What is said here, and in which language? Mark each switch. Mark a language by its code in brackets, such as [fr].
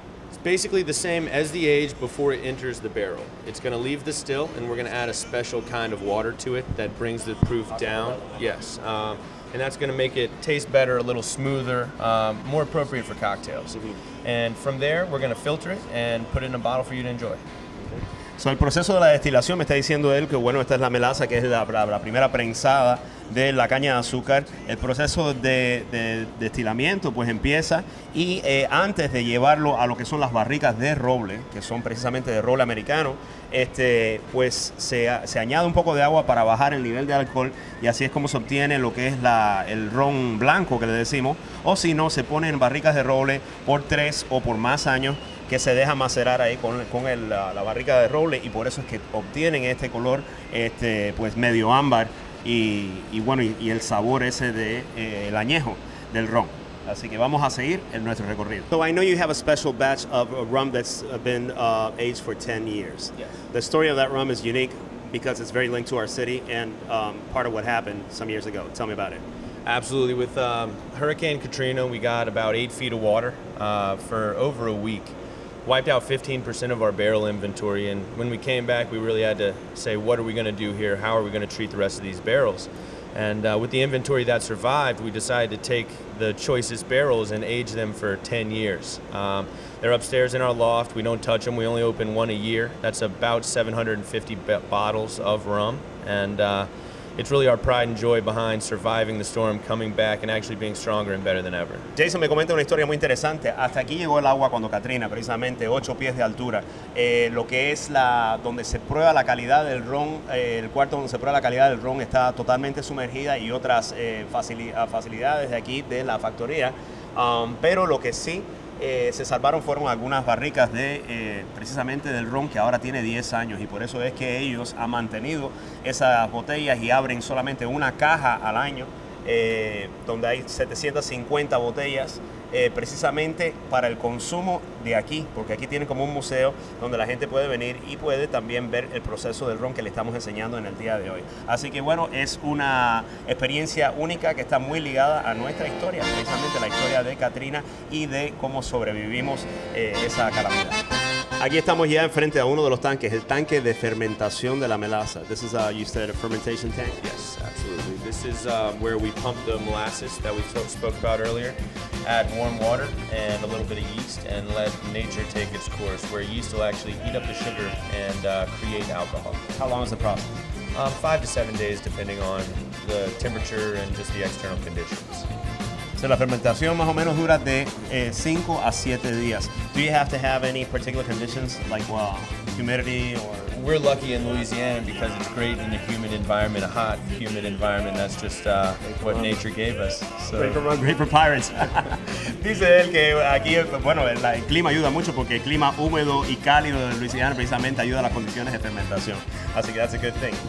[en] It's basically the same as the age before it enters the barrel. It's going to leave the still, and we're going to add a special kind of water to it that brings the proof down. Yes. And that's going to make it taste better, a little smoother, more appropriate for cocktails. And from there, we're going to filter it and put it in a bottle for you to enjoy. [es] So el proceso de la destilación, me está diciendo él que bueno, esta es la melaza, que es la primera prensada de la caña de azúcar. El proceso de destilamiento pues empieza y antes de llevarlo a lo que son las barricas de roble, que son precisamente de roble americano, pues se añade un poco de agua para bajar el nivel de alcohol y así es como se obtiene lo que es el ron blanco que le decimos, o si no, se pone en barricas de roble por 3 o por más años, que se deja macerar ahí con la barrica de roble y por eso es que obtienen este color pues medio ámbar y el sabor ese de el añejo del ron. Así que vamos a seguir en nuestro recorrido. [en] So I know you have a special batch of a rum that's been aged for 10 years. Yes. The story of that rum is unique because it's very linked to our city and part of what happened some years ago. Tell me about it. Absolutely. With Hurricane Katrina, we got about 8 feet of water for over a week. Wiped out 15% of our barrel inventory, and when we came back, we really had to say, what are we gonna do here? How are we gonna treat the rest of these barrels? And with the inventory that survived, we decided to take the choicest barrels and age them for 10 years. They're upstairs in our loft. We don't touch them. We only open one a year. That's about 750 bottles of rum, and it's really our pride and joy behind surviving the storm, coming back, and actually being stronger and better than ever. [es] Jason me comenta una historia muy interesante. Hasta aquí llegó el agua cuando Katrina, precisamente 8 pies de altura. Lo que es la donde se prueba la calidad del ron, el cuarto donde se prueba la calidad del ron está totalmente sumergida y otras facilidades de aquí de la factoría. Pero lo que sí se salvaron fueron algunas barricas de precisamente del ron que ahora tiene 10 años y por eso es que ellos han mantenido esas botellas y abren solamente una caja al año donde hay 750 botellas precisamente para el consumo de aquí, porque aquí tienen como un museo donde la gente puede venir y puede también ver el proceso del ron que le estamos enseñando en el día de hoy. Así que bueno, es una experiencia única que está muy ligada a nuestra historia, precisamente la historia de Katrina y de cómo sobrevivimos esa calamidad. Aquí estamos ya enfrente a uno de los tanques, el tanque de fermentación de la melaza. [en] This is, you said, a fermentation tank? Yes, absolutely. This is where we pump the molasses that we spoke about earlier, add warm water and a little bit of yeast, and let nature take its course, where yeast will actually eat up the sugar and create alcohol. How long is the process? 5 to 7 days, depending on the temperature and just the external conditions. [es] So la fermentación más o menos dura de 5 a 7 días. [en] Do you have to have any particular conditions, like humidity or? We're lucky in Louisiana because it's great in a humid environment, a hot, humid environment. That's just what nature gave us. So. Great for pirates. [es] Dice él que aquí, bueno, el clima ayuda mucho porque el clima húmedo y cálido de Louisiana precisamente ayuda a las condiciones de fermentación. Así que [en] that's a good thing.